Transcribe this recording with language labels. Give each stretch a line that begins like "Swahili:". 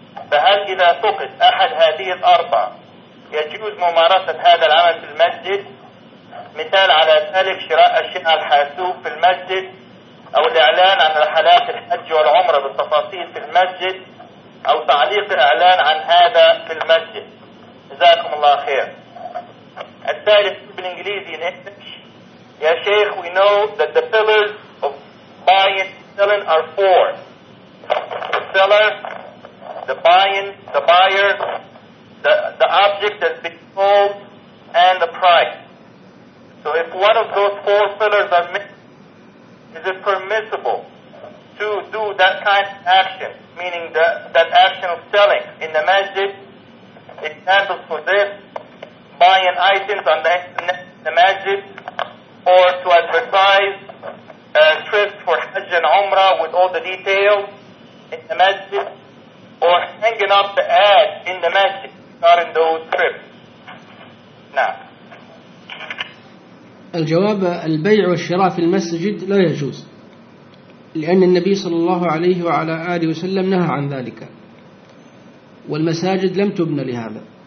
Arabic: فهل إذا فقد أحد هذه الأربعة يجوز ممارسة هذا العمل في المسجد؟ مثال على ذلك شراء أشياء الحاسوب في المسجد أو الإعلان عن رحلات الحج والعمرة بالتفاصيل في المسجد أو تعليق إعلان عن هذا في المسجد. جزاكم الله خير. الثالث بالإنجليزي نفسه: يا شيخ,
English: we know that the pillars of buying and selling are four: the seller, the buying, the buyer, the object that's being sold, and the price. So if one of those four pillars are missing, is it permissible to do that kind of action, meaning that action of selling in the masjid? Examples for this: buying items on the internet in the masjid, or to advertise a trip for Hajj and Umrah with all the details in the masjid, or hanging up the ad in the masjid regarding those trips. Now,
Arabic: الجواب: البيع والشراء في المسجد لا يجوز, لأن النبي صلى الله عليه وعلى آله وسلم نهى عن ذلك, والمساجد لم تبنى لهذا.